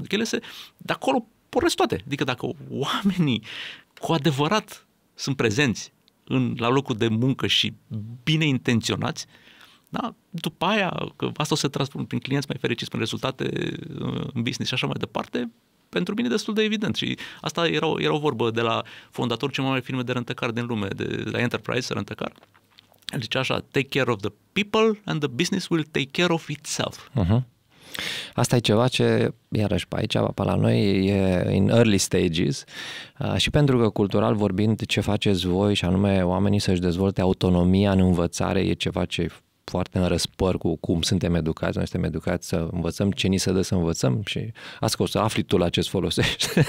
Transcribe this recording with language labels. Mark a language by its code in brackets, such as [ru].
[ro] Adică de acolo pornesc toate. Adică dacă oamenii cu adevărat sunt prezenți la locul de muncă și bine intenționați, da, după aia, că asta o să transform prin clienți mai fericiți, prin rezultate în business și așa mai departe, pentru mine destul de evident. Și asta era o vorbă de la fondatorul cei mai mari firme de rentăcar din lume, de la Enterprise Rentăcar. El zice așa, [en] take care of the people and the business will take care of itself. [ro] Asta e ceva ce, iarăși pe aici, pe la noi, e [en] in early stages [ro] și pentru că cultural vorbind ce faceți voi și anume oamenii să-și dezvolte autonomia în învățare e ceva ce foarte în răspăr cu cum suntem educați. Noi suntem educați să învățăm ce ni se dă să învățăm și asta o să afli tu la ce-ți folosești.